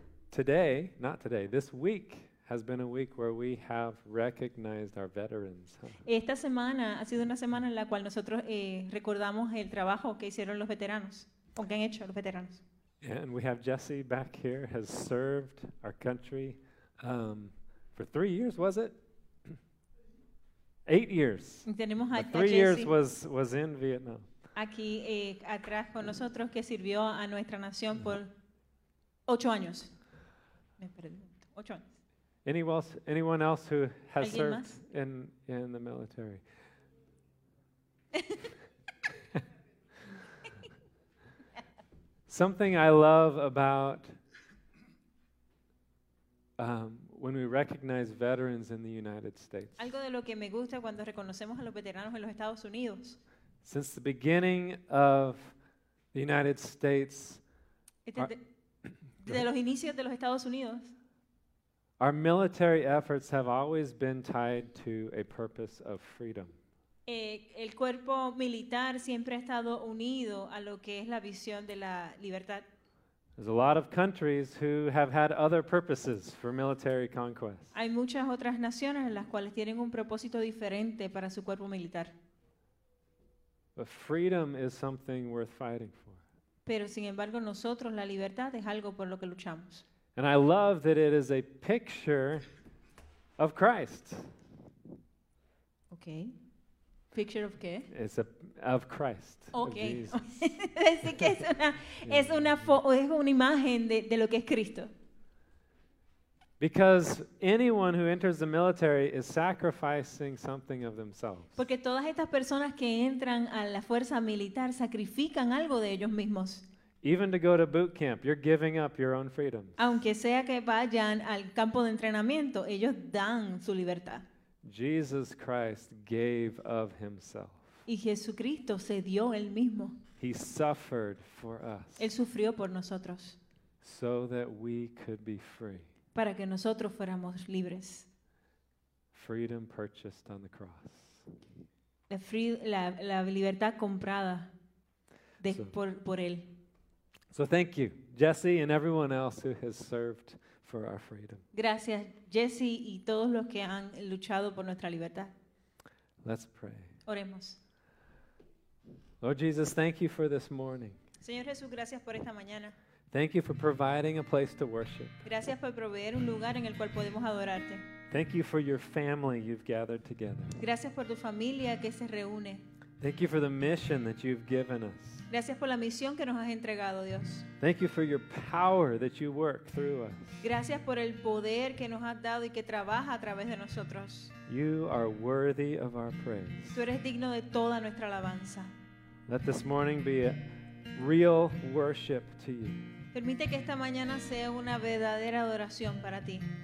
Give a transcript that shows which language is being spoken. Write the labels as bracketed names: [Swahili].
[English] Today, not today, this week has been a week where we have recognized our veterans. [Spanish] Esta semana ha sido una semana en la cual nosotros recordamos el trabajo que hicieron los veteranos, o que han hecho los veteranos. [English] And we have Jesse back here, has served our country for 3 years, was it? 8 years. [Spanish] Tenemos a [English] three Jesse. Years was in Vietnam. [Spanish] Aquí atrás con nosotros que sirvió a nuestra nación por 8 años. Me pregunto, 8 años. [English] Anyone else who has served in the military? Something I love about when we recognize veterans in the United States. [Spanish] Algo de lo que me gusta cuando reconocemos a los veteranos en los Estados Unidos. [English] Since the beginning of the United States, [Spanish] de los inicios de los Estados Unidos, [English] our military efforts have always been tied to a purpose of freedom. [Spanish] El cuerpo militar siempre ha estado unido a lo que es la visión de la libertad. [English] There's a lot of countries who have had other purposes for military conquest. [Spanish] Hay muchas otras naciones en las cuales tienen un propósito diferente para su cuerpo militar. [English] But freedom is something worth fighting for. [Spanish] Pero sin embargo, nosotros la libertad es algo por lo que luchamos. [English] And I love that it is a picture of Christ. Okay. Picture of [Spanish] qué? [English] It's a of Christ. Okay. [Spanish] Así que es una imagen de lo que es Cristo. [English] Because anyone who enters the military is sacrificing something of themselves. [Spanish] Porque todas estas personas que entran a la fuerza militar sacrifican algo de ellos mismos. [English] Even to go to boot camp, you're giving up your own freedom. [Spanish] Aunque sea que vayan al campo de entrenamiento, ellos dan su libertad. [English] Jesus Christ gave of himself. [Spanish] Y Jesucristo se dio él mismo. [English] He suffered for us. [Spanish] Él sufrió por nosotros. [English] So that we could be free. [Spanish] Para que nosotros fuéramos libres. [English] Freedom purchased on the cross. [Spanish] La libertad comprada por él. [English] So thank you, Jesse, and everyone else who has served for our freedom. [Spanish] Gracias, Jesse, y todos los que han luchado por nuestra libertad. [English] Let's pray. [Spanish] Oremos. [English] Lord Jesus, thank you for this morning. [Spanish] Señor Jesús, gracias por esta mañana. [English] Thank you for providing a place to worship. [Spanish] Gracias por proveer un lugar en el cual podemos adorarte. [English] Thank you for your family you've gathered together. [Spanish] Gracias por tu familia que se reúne. [English] Thank you for the mission that you've given us. [Spanish] Gracias por la misión que nos has entregado, Dios. [English] Thank you for your power that you work through us. [Spanish] Gracias por el poder que nos has dado y que trabaja a través de nosotros. [English] You are worthy of our praise. [Spanish] Tú eres digno de toda nuestra alabanza. [English] Let this morning be a real worship to you. [Spanish] Permite que esta mañana sea una verdadera adoración para ti.